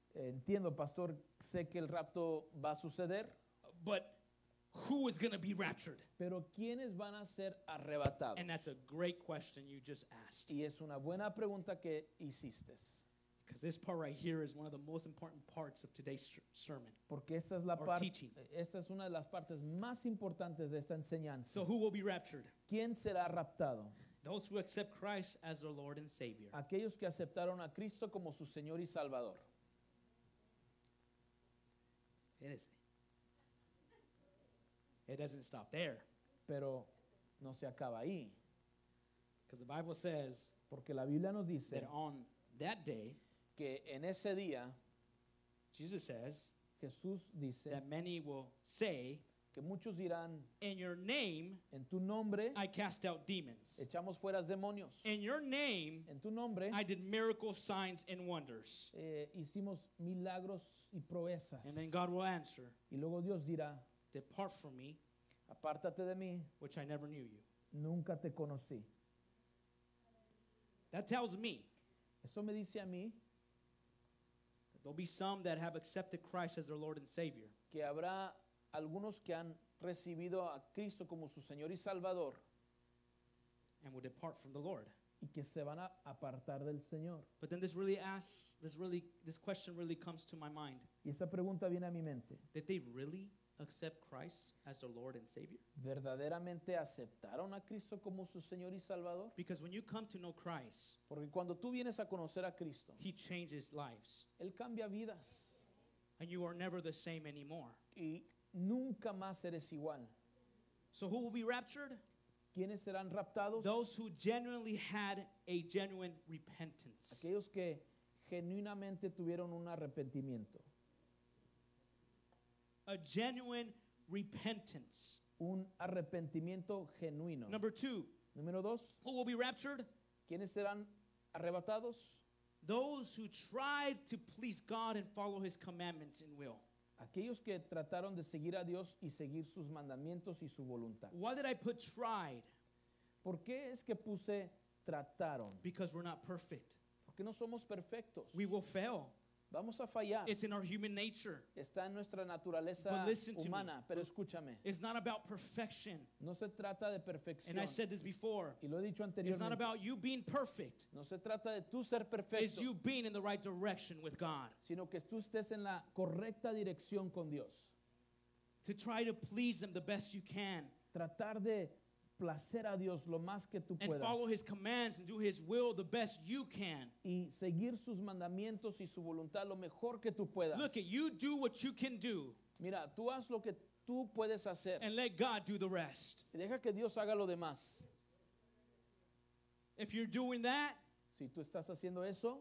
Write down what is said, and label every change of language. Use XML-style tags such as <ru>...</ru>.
<es>Entiendo, pastor. Sé que el rapto va a suceder.</es> <en>But who is going to be raptured?</en> <es>Pero ¿quiénes van a ser arrebatados?</es> <en>And that's a great question you just asked.</en> <es>Y es una buena pregunta que hiciste.</es> <en>Because this part right here is one of the most important parts of today's sermon.</en> <es>Porque esta es la parte, teaching. Esta es una de las partes más importantes de esta enseñanza.</es> <en>So who will be raptured?</en> <es>¿Quién será raptado?</es> <en>Those who accept Christ as their Lord and Savior.</en> <es>Aquellos que aceptaron a Cristo como su Señor y Salvador.</es> <en>It doesn't stop there.</en> <es>Pero no se acaba ahí.</es> <en>Because the Bible says,</en> <es>porque la Biblia nos dice,</es> <en>that on that day,</en> <es>que en ese día,</es> <en>Jesus says,</en> <es>Jesús dice,</es> <en>that many will say,</en> <es>que muchos dirán,</es> <en>in your name,</en> <es>en tu nombre,</es> <en>I cast out demons.</en> <es>Echamos fuera demonios.</es> <en>In your name,</en> <es>en tu nombre,</es> <en>I did miracles, signs, and wonders.</en> <es>Hicimos milagros y proezas.</es> <en>And then God will answer,</en> <es>y luego Dios dirá,</es> <en>depart from me,</en> <es>apártate de mí,</es> <en>which I never knew you.</en> <es>Nunca te conocí.</es> <en>That tells me,</en> <es>eso me dice a mí,</es> <en>there'll be some that have accepted Christ as their Lord and Savior.</en> <es>Que habrá algunos que han recibido a Cristo como su Señor y Salvador.</es> <en>And will depart from the Lord.</en> <es>Y que se van a apartar del Señor.</es> <en>But then this really asks, this question really comes to my mind.</en> <es>Y esa pregunta viene a mi mente.</es> <en>Did they really accept Christ as their Lord and Savior?</en> <es>¿Verdaderamente aceptaron a Cristo como su Señor y Salvador?</es> <en>Because when you come to know Christ,</en> <es>porque cuando tú vienes a conocer a Cristo,</es> <en>He changes lives.</en> <es>Él cambia vidas.</es> <en>And you are never the same anymore.</en> <es>Y nunca más eres igual.</es> <en>So who will be raptured?</en> <es>¿Quiénes serán raptados?</es> <en>Those who genuinely had a genuine repentance.</en> <es>Aquellos que genuinamente tuvieron un arrepentimiento.</es> <en>A genuine repentance.</en> <es>Un arrepentimiento genuino.</es> <en>Number two.</en> <es>Número dos.</es> <en>Who will be raptured?</en> <es>¿Quiénes serán arrebatados?</es> <en>Those who tried to please God and follow His commandments and will.</en> <es>Aquellos que trataron de seguir a Dios y seguir sus mandamientos y su voluntad.</es> <en>Why did I put tried?</en> <es>¿Por qué es que puse trataron?</es> <en>Because we're not perfect.</en> <es>Porque no somos perfectos.</es> <en>We will fail.</en> <es>Vamos a fallar.</es> <en>It's in our human nature.</en> <es>Está en nuestra naturaleza humana. Pero escúchame.</es> <en>It's not about perfection.</en> <es>No se trata de perfección.</es> <en>And I said this before.</en> <es>Y lo he dicho anteriormente.</es> <en>It's not about you being perfect.</en> <es>No se trata de tú ser perfecto.</es> <en>It's you being in the right direction with God.</en> <es>Sino que tú estés en la correcta dirección con Dios.</es> <en>To try to please Him the best you can.</en> <es>Tratar de placer a Dios lo más que tú puedas.</es> <en>And follow His commands and do His will the best you can.</en> <es>Y seguir sus mandamientos y su voluntad lo mejor que tú puedas.</es> <en>Look, you do what you can do.</en> <es>Mira, tú haz lo que tú puedes hacer.</es> <en>And let God do the rest.</en> <es>Y deja que Dios haga lo demás.</es> <en>If you're doing that,</en> <es>si tú estás haciendo eso,</es>